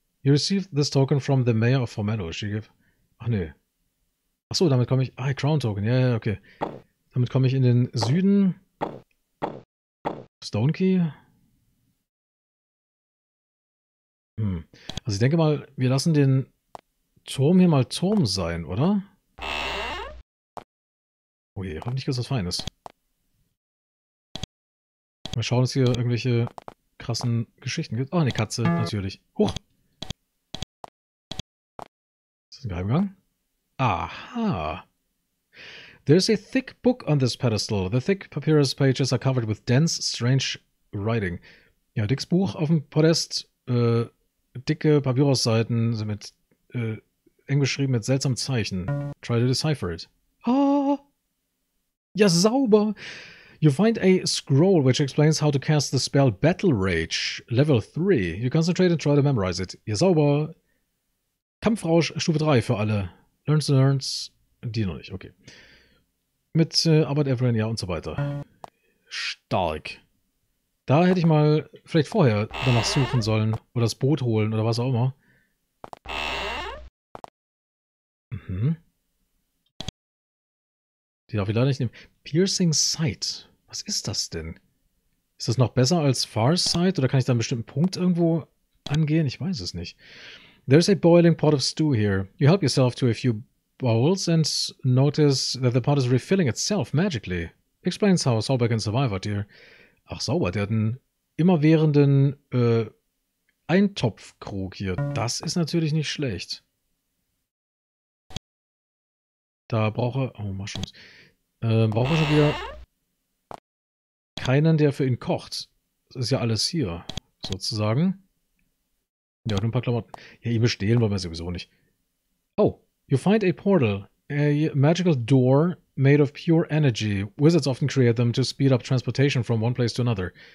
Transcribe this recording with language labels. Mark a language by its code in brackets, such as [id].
[en] You received this token from the mayor of Formello. [de] She gave. Ach nee. Ach so, damit komme ich. Ah, Crown Token. Ja, okay. Damit komme ich in den Süden. Stone Key. Also ich denke mal, wir lassen den Turm hier mal Turm sein, oder? Oh je, hoffentlich ist das Feines. Mal schauen, ob es hier irgendwelche krassen Geschichten gibt. Oh, eine Katze, natürlich. Huch! Das ein Geheimgang? Aha! [en] There's a thick book on this pedestal. The thick papyrus pages are covered with dense, strange writing. [de] Ja, dickes Buch auf dem Podest. Dicke Papyrusseiten sind mit eng beschrieben mit seltsamen Zeichen. [en] Try to decipher it. [de] Ja, sauber! [en] You find a scroll which explains how to cast the spell Battle Rage, Level 3. You concentrate and try to memorize it. [de] Ja, sauber! Kampfrausch, Stufe 3 für alle. [en] Learns and learns. [de] Die noch nicht, okay. Mit Arbeit, Evelyn, ja und so weiter. Stark. Da hätte ich mal vielleicht vorher danach suchen sollen. Oder das Boot holen oder was auch immer. Die darf ich leider nicht nehmen. Piercing Sight. Was ist das denn? Ist das noch besser als Far Sight? Oder kann ich da einen bestimmten Punkt irgendwo angehen? Ich weiß es nicht. [en] There's a boiling pot of stew here. You help yourself to a few bowls and notice that the pot is refilling itself magically. Explains how Sauber can survive out here. [de] Ach, Sauber, der hat einen immerwährenden Eintopfkrug hier. Das ist natürlich nicht schlecht. Da brauche. Oh, Mushrooms. Brauche schon wieder keinen, der für ihn kocht. Das ist ja alles hier, sozusagen. Ja, nur ein paar Klamotten. Ja, ihn bestehlen wollen wir sowieso nicht. [en] Oh, you find a portal. A magical door made of pure energy. Wizards often create them to speed up transportation from one place to another.